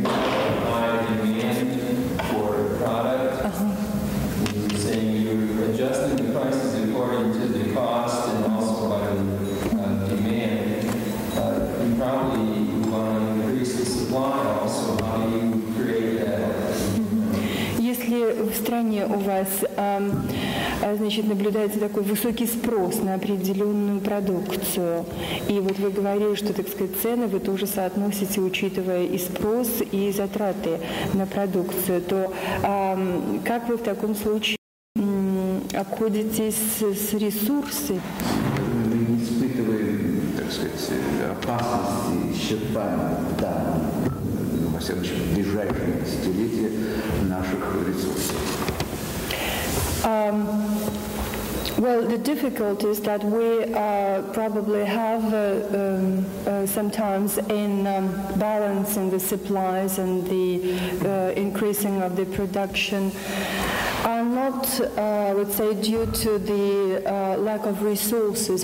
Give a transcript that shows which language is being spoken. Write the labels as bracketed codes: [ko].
[en] high demand for product, saying you're adjusting the prices according to the cost and also by the demand, you probably want to increase the supply also. How do you create that? [ru] Если в стране у вас, значит, наблюдается такой высокий спрос на определенную продукцию, и вот вы говорили, что, так сказать, цены вы тоже соотносите, учитывая и спрос, и затраты на продукцию, то как вы в таком случае обходитесь с ресурсами? Мы не испытываем, так сказать, опасности исчерпания данных. В ближайшие десятилетия наших ресурсов. [en] Well, the difficulty is that we probably have sometimes in balancing the supplies and the increasing of the production are not, I would say, due to the lack of resources.